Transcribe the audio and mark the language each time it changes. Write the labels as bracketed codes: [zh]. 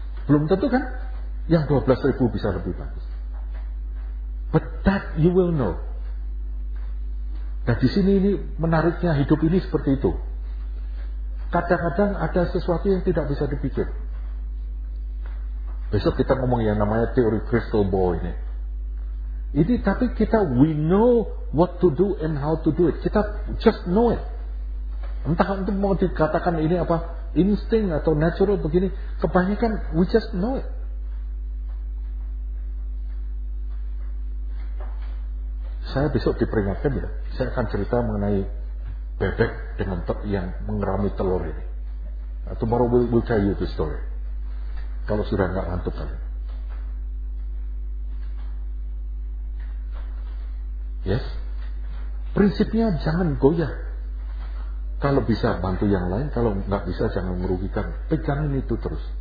[id] Belum tentu kan? Yang 12.000 bisa lebih bagus. But that you will know. Nah di sini ini menariknya hidup ini seperti itu. Kadang-kadang ada sesuatu yang tidak bisa dipikir. Besok kita ngomong yang namanya teori crystal ball ini. [en] Ini tapi kita we know what to do and how to do it. [id] Kita just know it. Entah itu mau dikatakan ini apa, instinct atau natural begini. [en] Kebanyakan we just know it. [id] Saya besok diperingatkan ya. Saya akan cerita mengenai bebek dengan yang mengerami telur ini. [en] Tomorrow we'll tell you the story. [id] Kalau sudah enggak ngantuk kali. Yes. Prinsipnya jangan goyah. Kalau bisa bantu yang lain, kalau enggak bisa jangan merugikan. Pegangin itu terus.